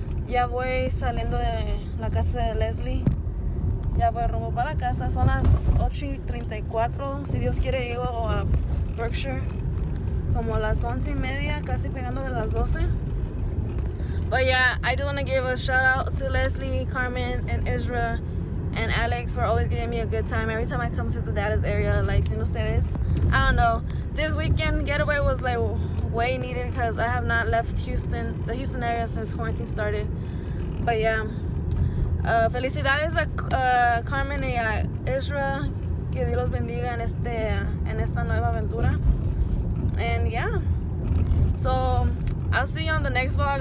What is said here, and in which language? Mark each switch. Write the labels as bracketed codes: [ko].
[es] Ya voy saliendo de la casa de Leslie. Ya voy rumbo para la casa. Son las 8:34. Si Dios quiere, llego a Berkshire como las 11 y media, casi pegando de las 12. [en] But yeah, I do want to give a shout out to Leslie, Carmen, and Ezra. And Alex for always giving me a good time every time I come to the Dallas area, like, [es] sin ustedes. [en] I don't know. This weekend getaway was, like, way needed because I have not left Houston, the Houston area, since quarantine started. But, yeah. [es] Felicidades a Carmen y a Ezra. Que Dios los bendiga en esta nueva aventura. [en] And, yeah. So, I'll see you on the next vlog.